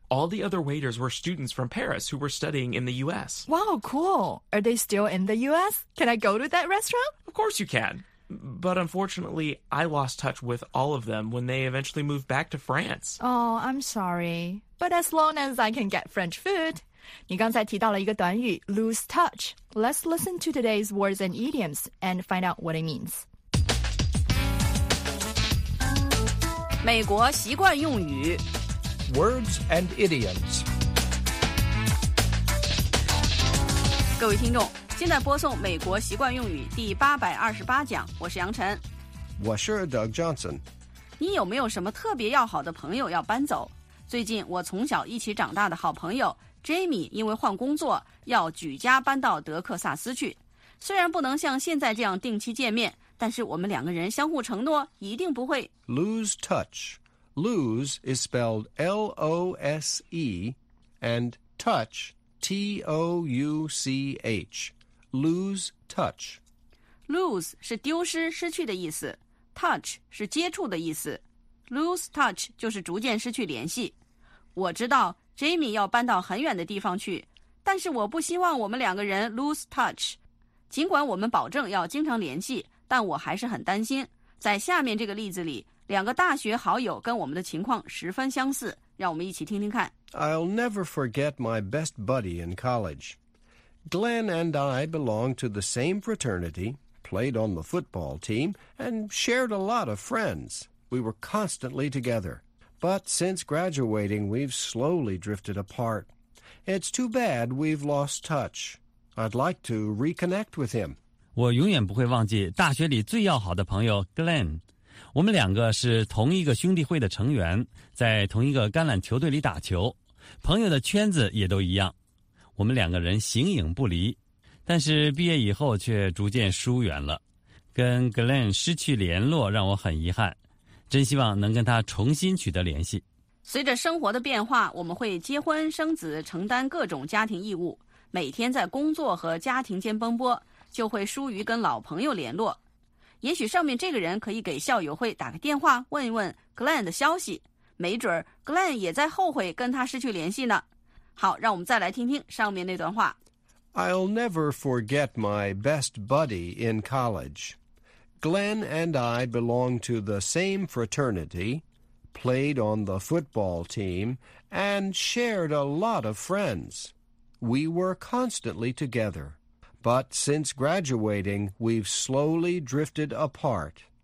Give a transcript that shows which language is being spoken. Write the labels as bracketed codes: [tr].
[en] All the other waiters were students from Paris who were studying in the U.S. Wow, cool. Are they still in the U.S.? Can I go to that restaurant? Of course you can. But unfortunately, I lost touch with all of them when they eventually moved back to France. Oh, I'm sorry. But as long as I can get French food. [zh] 你刚才提到了一个短语 lose touch. [en] Let's listen to today's words and idioms and find out what it means. [zh] 美国习惯用语 [en] Words and idioms. [zh] 各位听众现在播送美国习惯用语第828讲，我是杨晨。我是 Doug Johnson。你有没有什么特别要好的朋友要搬走？最近我从小一起长大的好朋友 Jamie 因为换工作要举家搬到德克萨斯去。虽然不能像现在这样定期见面，但是我们两个人相互承诺一定不会 [en] lose touch. Lose is spelled L-O-S-E and touch. T-O-U-C-H, lose touch. [zh] Lose 是丢失、失去的意思 ，touch 是接触的意思。 lose touch 就是逐渐失去联系。我知道 Jamie 要搬到很远的地方去，但是我不希望我们两个人 lose touch。尽管我们保证要经常联系，但我还是很担心。在下面这个例子里，两个大学好友跟我们的情况十分相似，让我们一起听听看。 [en] I'll never forget my best buddy in college. Glenn and I belong to the same fraternity, played on the football team, and shared a lot of friends. We were constantly together. But since graduating, we've slowly drifted apart. It's too bad we've lost touch. I'd like to reconnect with him. [zh] 我永远不会忘记大学里最要好的朋友 Glenn。我们两个是同一个兄弟会的成员，在同一个橄榄球队里打球，朋友的圈子也都一样，我们两个人形影不离，但是毕业以后却逐渐疏远了，跟 Glenn 失去联络让我很遗憾，真希望能跟他重新取得联系。随着生活的变化，我们会结婚生子，承担各种家庭义务，每天在工作和家庭间奔波，就会疏于跟老朋友联络。也许上面这个人可以给校友会打个电话，问一问 Glenn 的消息，没准 Glenn 也在后悔跟他失去联系呢。好，让我们再来听听上面那段话。 [en] I'll never forget my best buddy in college. Glenn and I belong to the same fraternity, played on the football team, and shared a lot of friends. We were constantly together. But since graduating, we've slowly drifted apart.